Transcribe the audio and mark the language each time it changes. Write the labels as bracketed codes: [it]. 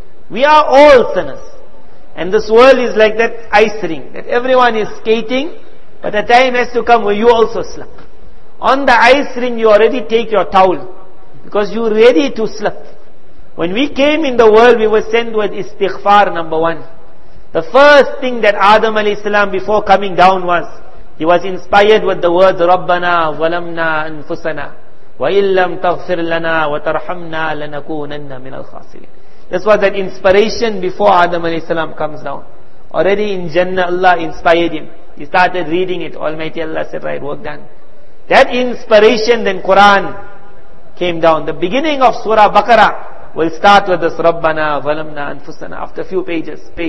[en] We are all sinners. And this world is like that ice ring, that everyone is skating, but a time has to come where you also slip. On the ice ring you already take your towel, because you are ready to slip. When we came in the world, we were sent with istighfar, number one. The first thing that Adam a.s. before coming down was, he was inspired with the words, [ar] رَبَّنَا وَلَمْنَا أَنفُسَنَا وَإِن لَمْ تَغْفِرْ لَنَا وَتَرْحَمْنَا لَنَكُونَنَّ مِنَ الْخَاسِرِينَ. [en] This was that inspiration before Adam a.s. comes down. Already in Jannah, Allah inspired him. He started reading it. Almighty Allah said, right, work done. That inspiration, then Quran came down. The beginning of Surah Baqarah will start with this, [ar] رَبَّنَا وَلَمْنَا أَنفُسَنَا, [en] after a few pages.